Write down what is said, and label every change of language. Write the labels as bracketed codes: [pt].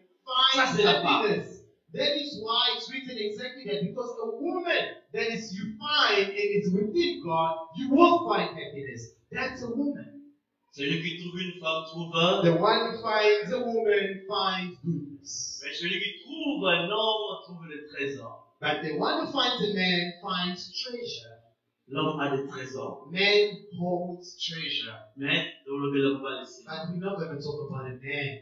[en] The one who finds a woman finds happiness. That is why it's written exactly that. Because the woman that is you find and it's within God, you will find happiness. That's a woman. [fr] Celui qui trouve une femme trouve. [en] The one who finds a woman finds goodness. [fr] Mais celui qui trouve un homme trouve le trésor. [en] But the one who finds a man finds treasure. [fr] L'homme a des trésors. [en] Man holds treasure. [fr] Mais nous ne devons pas laisser. [en] But we're not going to talk about a man.